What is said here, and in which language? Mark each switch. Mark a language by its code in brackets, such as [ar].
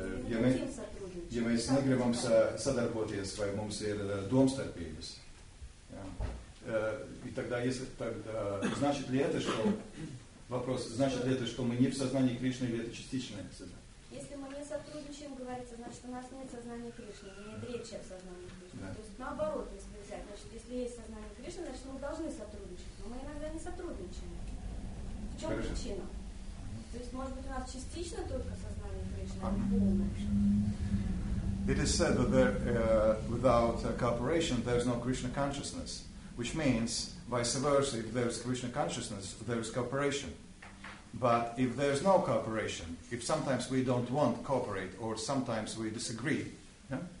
[lv] ja mēs, ja mēs negribam sadarboties vai mums ir domstarpības. Ja. [ru] И тогда если так, значит ли это, что вопрос, значит ли это, что мы не в сознании Кришны или это частичное сознание? Если мы не сотрудничаем, говорится, значит, у нас нет сознания Кришны, нет речи о сознании Кришны. Да. То есть наоборот, если взять, значит, если есть сознание Кришны, значит, мы должны сотрудничать. Но мы иногда не сотрудничаем. В чем Хорошо. Причина? То есть, может быть, у нас частично только сознание Кришны, а не полное. [en] It is said that there, without cooperation there is no Krishna consciousness, which means vice versa, if there is Krishna consciousness, there is cooperation. But if there is no cooperation, if sometimes we don't want to cooperate, or sometimes we disagree, yeah?